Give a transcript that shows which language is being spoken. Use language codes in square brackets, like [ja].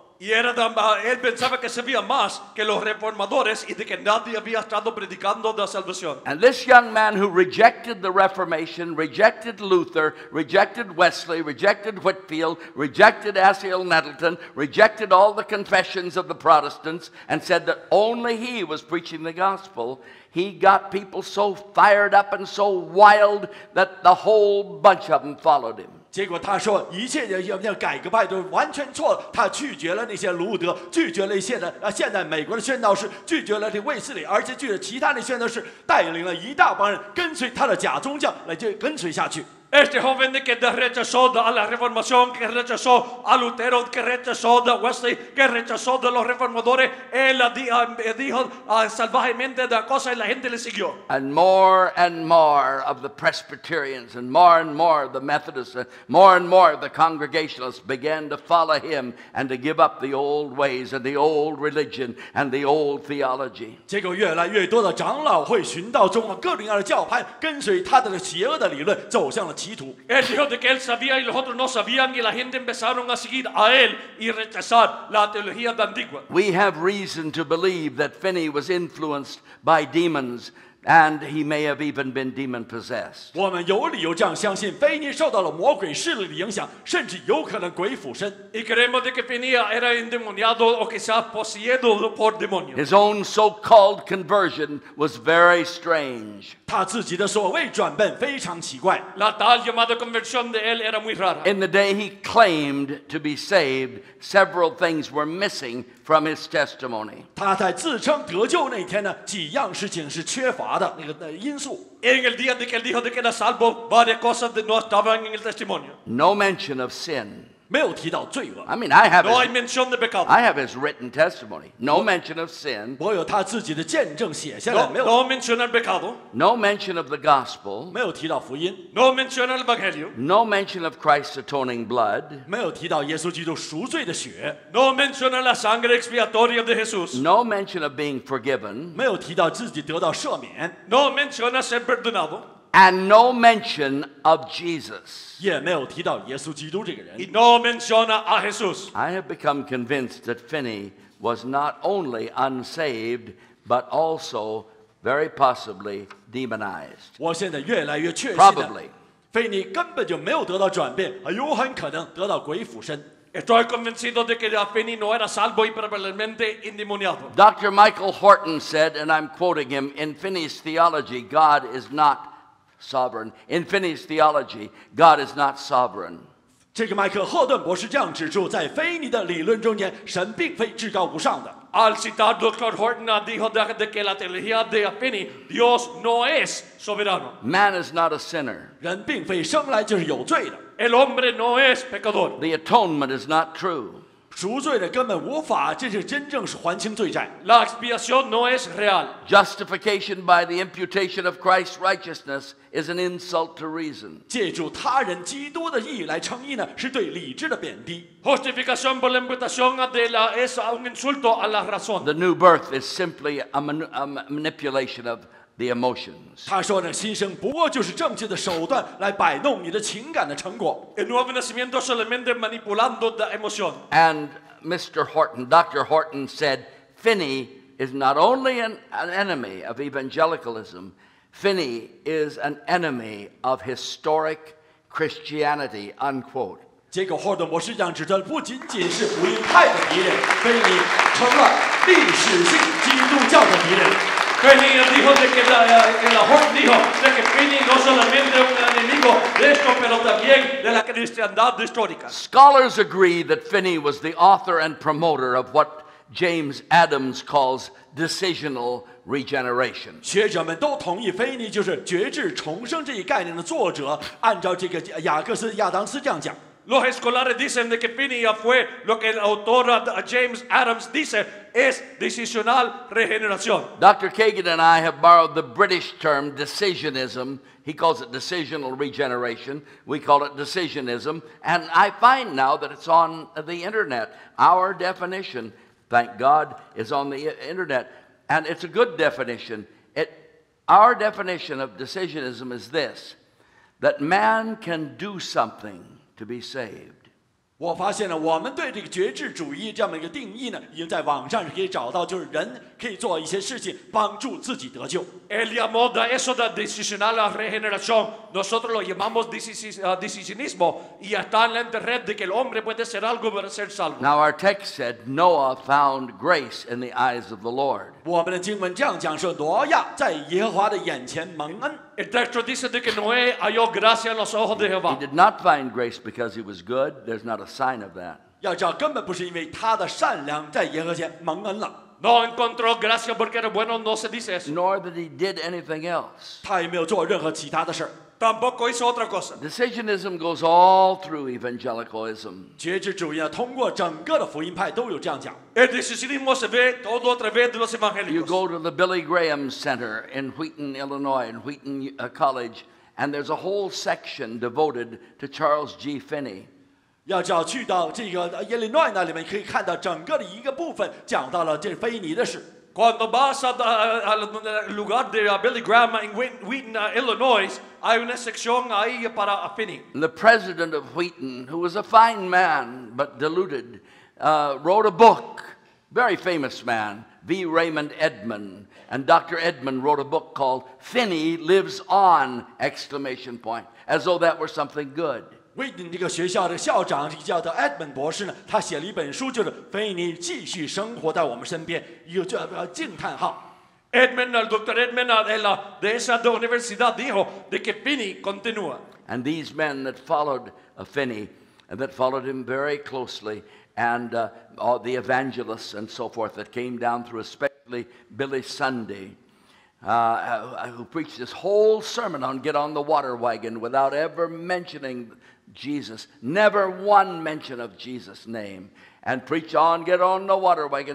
[es] Y era él pensaba que sabía más que los reformadores y de que nadie había estado predicando la salvación. [en] And this young man who rejected the Reformation, rejected Luther, rejected Wesley, rejected Whitfield, rejected Asahel Nettleton, rejected all the confessions of the Protestants, and said that only he was preaching the gospel. He got people so fired up and so wild that the whole bunch of them followed him. [zh] 结果他说一切的改革派都完全错了，他拒绝了那些卢德，拒绝了现在美国的宣道士，拒绝了这卫斯理，而且拒绝其他的宣道士，带领了一大帮人跟随他的假宗教来就跟随下去。 [es] Este joven que rechazó a la reformación, que rechazó a Lutero, que rechazó a Wesley, que rechazó a los reformadores, él dijo salvajemente de cosas y la gente le siguió. [en] And more of the Presbyterians, and more of the Methodists, and more of the Congregationalists began to follow him and to give up the old ways and the old religion and the old theology. [zh] 结果越来越多的长老会寻道中各种各样的教派跟随他的邪恶的理论走向了 [es] Él dijo de que él sabía y los otros no sabían y la gente empezaron a seguir a él y rechazar la teología antigua. [en] We have reason to believe that Finney was influenced by demons And he may have even been demon possessed. [zh] 我们有理由这样相信，腓尼受到了魔鬼势力的影响，甚至有可能鬼附身。 [es] Y creemos que Fenia era endemoniado o quizás poseído por demonios. [en] His own so-called conversion was very strange. [zh] 他自己的所谓转变非常奇怪。 [es] La tal llamada conversión de él era muy rara. [en] In the day he claimed to be saved, several things were missing. From his testimony. [zh] 他在自称得救那天呢，几样事情是缺乏的那个那因素。 [es] En el día de que dijo de que era salvo, varias cosas de no estaban en el testimonio. [en] No mention of sin. [zh] 没有提到罪恶。 [en] I mean, I have. No, I mentioned the pecado. I have his written testimony. No mention of sin. [zh] 我有他自己的见证写下来。没有。 [en] No mention of pecado. No mention of the gospel. [zh] 没有提到福音。 [en] No mention of evangelio. No mention of Christ's atoning blood. [zh] 没有提到耶稣基督赎罪的血。 [en] No mention of [es] la sangre expiatoria de Jesús. [en] No mention of being forgiven. [zh] 没有提到自己得到赦免。 [en] No mention of [es] ser perdonado. [en] And no mention of Jesus. [zh] 也没有提到耶稣基督这个人。 [en] No mention of Jesus. I have become convinced that Finney was not only unsaved, but also very possibly demonized. [zh] 我现在越来越确信。 [en] Probably. [zh] 腓尼根本就没有得到转变，有很可能得到鬼附身。 [es] Estoy convencido de que Finney no era salvo y probablemente endemoniado. [en] Dr. Michael Horton said, and I'm quoting him, in Finney's theology, God is not. Sovereign. In Finney's theology, God is not sovereign. [zh] 这个麦克赫顿博士这样指出，在腓尼的理论中间，神并非至高无上的。 [es] Al citar Dr. Horton, dijo de que la teología de Finney, Dios no es soberano. [en] Man is not a sinner. [zh] 人并非生来就是有罪的。 [es] El hombre no es pecador. [en] The atonement is not true. [zh] 赎罪的根本无法，这是真正是还清罪债。 [es] La expiación no es real. [en] Justification by the imputation of Christ's righteousness is an insult to reason. [zh] 借助他人基督的义来称义呢，是对理智的贬低。 [es] Justificación por la imputación de la es un insulto a la razón. [en] The new birth is simply a manipulation of the emotions. [zh] 他说呢，新生不过就是政治的手段，来摆弄你的情感的成果。 [es] El nuevo nacimiento solamente manipulando la emoción. [en] And Mr. Horton, Dr. Horton said, Finney is not only an enemy of evangelicalism, Finney is an enemy of historic Christianity. Unquote. [zh] 结果霍顿博士讲指的不仅仅是福音派的敌人，菲尼成了历史性基督教的敌人。 [es] 菲尼dijo de que la Horton dijo de que Finney no solamente un enemigo de esto, pero también de la cristiandad histórica. [en] Scholars agree that Finney was the author and promoter of what James Adams calls decisional regeneration. [zh] 学者们都同意，菲尼就是觉知重生这一概念的作者。按照这个雅各斯亚当斯这样讲。 [es] Los escolares dicen de que Finney fue lo que el autor James Adams dice es decisional regeneración. [en] Dr. Kagan and I have borrowed the British term decisionism. He calls it decisional regeneration. We call it decisionism. And I find now that it's on the internet. Our definition, thank God, is on the internet. And it's a good definition. Our definition of decisionism is this, that man can do something. To be saved. [zh] 我发现了我们对这个觉知主义这样的一个定义呢，已经在网上是可以找到，就是人可以做一些事情帮助自己得救。 [es] Él llamó de eso de decisional regeneración. Nosotros lo llamamos decisionismo y está en la internet de que el hombre puede ser algo para ser salvo. [en] Now our text said Noah found grace in the eyes of the Lord. [zh] 我们的经文这样讲说，挪亚在耶和华的眼前蒙恩。 [es] El texto dice de que Noé halló gracia en los ojos de Jehová. [en] He did not find grace because he was good. There's not a sign of that. [zh] 要知道根本不是因为他的善良在耶和前蒙恩了。 [es] No encontró gracia porque era bueno, no se dice eso. [en] Nor that he did anything else. [zh] 他也没有做任何其他的事。 [es] Tampoco hizo otra cosa. [en] Decisionism goes all through evangelicalism. [zh] 觉知主义啊，通过整个的福音派都有这样讲。 [es] El decisionismo se ve todo a través de los evangélicos. [en] You go to the Billy Graham Center in Wheaton, Illinois, in Wheaton College, and there's a whole section devoted to Charles G. Finney. [zh] 要知道去到这个耶利诺那里面可以看到整个的一个部分讲到了这是腓尼的事。 [es] Cuando vas al lugar de Billy Graham en Wheaton, Illinois, hay una sección ahí para Finney. [en] The president of Wheaton, who was a fine man but deluded, wrote a book, very famous man, V. Raymond Edmond, and Dr. Edmond wrote a book called Finney Lives On! Exclamation point, as though that were something good. [zh] 威顿这个学校的校长叫做 Edmond 博士呢，他写了一本书，就是《菲尼继续生活在我们身边》，有这个惊叹号。 [es] Edmond, el doctor Edmond de esa universidad dijo de que Finney continúa. [en] And these men that followed Finney and that followed him very closely, and all the evangelists and so forth that came down through, especially Billy Sunday. Who preached this whole sermon on Get on the Water Wagon without ever mentioning Jesus, never one mention of Jesus' name, and preach on Get on the Water Wagon.